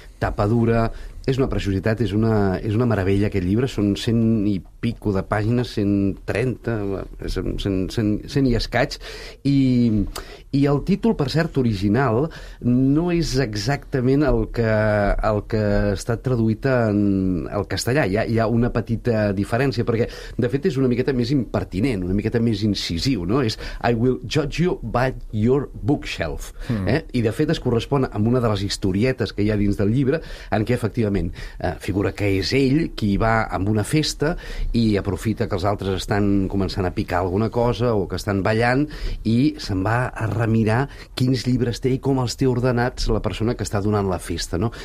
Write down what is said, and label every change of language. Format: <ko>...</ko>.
<ca>Tapa dura, és una preciositat, és una meravella aquest llibre, són 100 i pico de pàgines, 130, 100 i escaig, i el títol, per cert, original, no és exactament el que està traduït en el castellà. Hi ha una petita diferència, perquè de fet és una miqueta més impertinent, una miqueta més incisiu, no? És</ca> <en>I will judge you by your bookshelf.</en> <ca>I de fet es correspon amb una de les historietes que hi ha dins del llibre, en què efectivament figura que és ell qui va amb una festa i aprofita que els altres estan començant a picar alguna cosa o que estan ballant, i se'n va a remirar quins llibres té i com els té ordenats la persona que està donant la festa, no?</ca>